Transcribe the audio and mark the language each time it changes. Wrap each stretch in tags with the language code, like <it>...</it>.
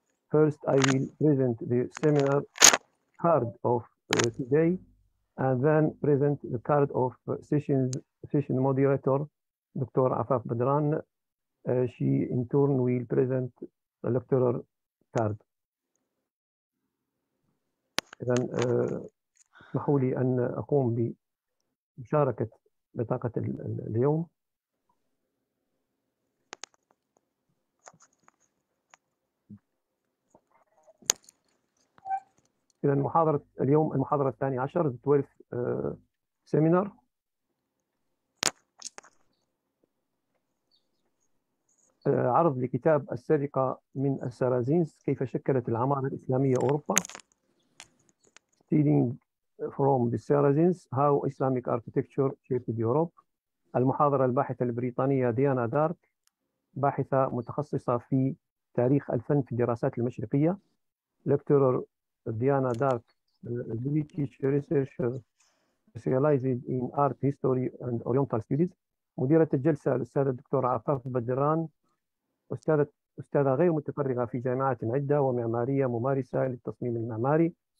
<en>First, I will present the seminar card of today, and then present the card of session moderator, Dr. Afaf Badran. She in turn will present the lecturer card.</en> <ar>إذن اسمحوا لي أن أقوم بمشاركة بطاقة اليوم. إذن محاضرة اليوم المحاضرة الثانية عشر</ar> <en>The 12th Seminar.</en> <ar>عرض لكتاب السرقة من السرازينز كيف شكلت العمارة الإسلامية أوروبا.</ar> <en>Stealing from the Saracens, how Islamic architecture shaped Europe.</en> <ar>المحاضرة الباحثة البريطانية ديانا دارك، باحثة متخصصة في تاريخ الفن في الدراسات المشرقية.</ar> <en>Lecturer Diana Darke, British researcher specialized in art history and oriental studies.</en> <ar>مديرة الجلسة الأستاذ الدكتور عفاف بدران، أستاذة غير متفرغة في جامعات عدة ومعمارية ممارسة للتصميم المعماري.</ar>